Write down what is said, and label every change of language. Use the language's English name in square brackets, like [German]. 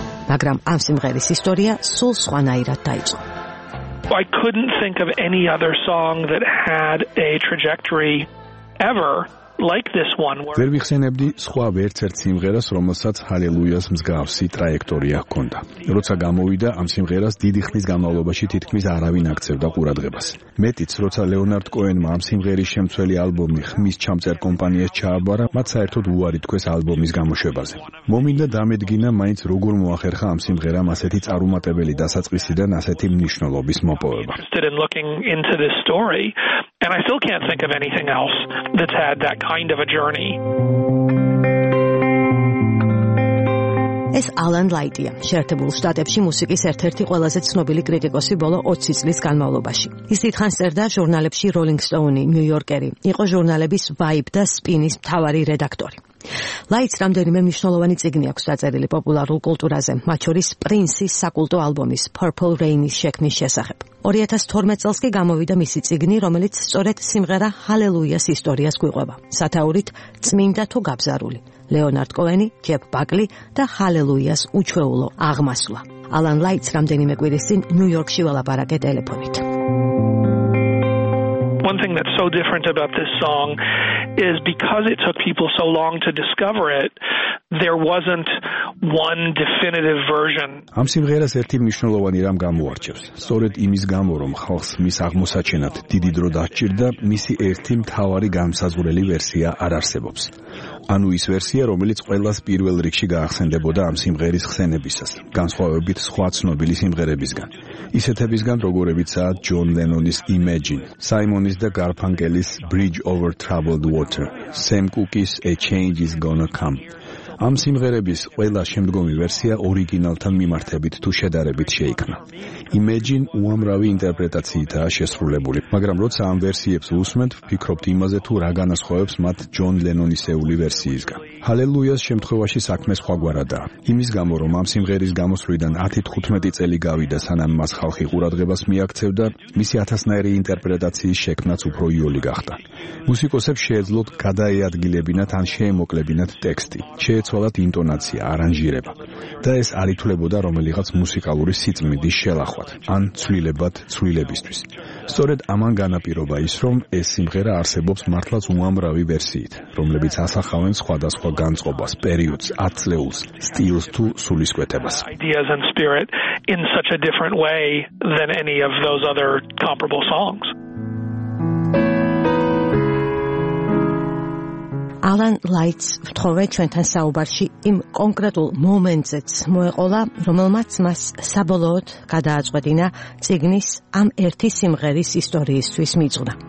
[Georgian] მაგრამ ამ სიმღერის ისტორია სულ სხვანაირად დაიწყო. [English] I couldn't think of any other song that had a trajectory ever like this one. [Georgian] ვერ ვიხსენებდი სხვა ვერცერც სიმღერას, რომელსაც ჰალელუიას მსგავსი ტრაექტორია ჰქონდა. როცა გამოვიდა ამ სიმღერას დიდი ხნის განმავლობაში თითქმის არავინ აქცევდა ყურადღებას. მეტიც, როცა ლეონარდ კოენმა ამ სიმღერის შემცველი ალბომი ხმის ჩამწერ კომპანიას ჩააბარა, მათ საერთოდ უარი თქვეს ალბომის გამოშვებაზე. მომინდა დამედგინა, მაინც როგორ მოახერხა ამ სიმღერამ ასეთი წარუმატებელი დასაწყისიდან ასეთი მნიშვნელობის მოპოვება. [English] And I still can't think of anything else that's had that kind of a journey. [Georgian] ეს ალან ლაიტია, შეერთებულ შტატებში მუსიკის ერთ-ერთი ყველაზე ცნობილი კრიტიკოსი ბოლო 20 წლის განმავლობაში. ის დიდხანს წერდა ჟურნალებში Rolling Stone-ი, New Yorker-ი, იყო ჟურნალების Vibe და Spin-ის მთავარი რედაქტორი. ლაიტს რამდენიმე მნიშვნელოვანი წიგნი აქვს დაწერილი პოპულარულ კულტურაზე, მათ შორის პრინსის საკულტო ალბომის Purple Rain-ის შექმნის შესახებ. 2012 წელს კი გამოვიდა მისი წიგნი, რომელიც სწორედ სიმღერა Halleluja's ისტორიას გვიყვება. სათაურით წმინდა თუ გაბზარული. ლეონარდ კოენი, ჯეფ ბაკლი და Halleluja's უჩვეულო აღმასვლა. ალან ლაიტს რამდენიმე კვირის წინ ნიუ-იორკში ველაპარაკე ტელეფონით. [English] One thing that's so different about this song is because it took people so long to discover it, there wasn't one definitive version. [Georgian] ამ სიმღერას ერთი მნიშვნელოვანი რამ გამოარჩევს. სწორედ იმის გამო, რომ ხალხს მის აღმოსაჩენად დიდი დრო დასჭირდა, მისი ერთი მთავარი განსაზღვრელი ვერსია არ არსებობს. ანუ ის ვერსია, რომელიც ყველას პირველ რიგში გაახსენდებოდა ამ სიმღერის ხსენებისას, განსხვავებით სხვა ცნობილი სიმღერებისგან. ისეთებისგან, როგორებიცაა ჯონ ლენონის Imagine, საიმონის და გარფანკელის Bridge Over Troubled Water, Sam Cooke's A Change Is Gonna Come. ამ სიმღერების ყველა შემდგომი ვერსია ორიგინალთან მიმართებით თუ შედარებით შეიქმნა. Imagine უამრავი ინტერპრეტაციითაა შესრულებული, მაგრამ როცა ამ ვერსიებს უსმენთ, ფიქრობთ იმაზე, თუ რა განასხვავებს მათ ჯონ ლენონისეული ვერსიისგან. Halleluja's შემთხვევაში საქმე სხვაგვარადაა. იმის გამო, რომ ამ სიმღერის გამოსვლიდან 10-15 წელი გავიდა, სანამ მას ხალხი ყურადღებას მიაქცევდა, მისი ათასნაირი ინტერპრეტაციის შექმნაც უფრო იოლი გახდა. მუსიკოსებს შეეძლოთ გადაეადგილებინათ ან შეემოკლებინათ ტექსტი, შეეცვალათ ინტონაცია, არანჟირება და ეს არ ითვლებოდა რომელიღაც მუსიკალური სიწმინდის შელახვად ან ცვლილებად ცვლილებისთვის. სწორედ ამან განაპირობა ის, რომ ეს სიმღერა არსებობს მართლაც უამრავი ვერსიით, რომლებიც ასახავენ სხვადასხვა განწყობას, პერიოდს, ათწლეულს, სტილს თუ სულისკვეთებას. [English] Ideas and spirit in such a different way than any of those other comparable songs. [Georgian] Alan Lights ვთხოვე ჩვენთან საუბარში იმ კონკრეტულ მომენტზეც მოეყოლა, რომელმაც მას საბოლოოდ გადააწყვეტინა ციგნის ამ ერთი სიმღერის ისტორიისთვის მიძღვნა.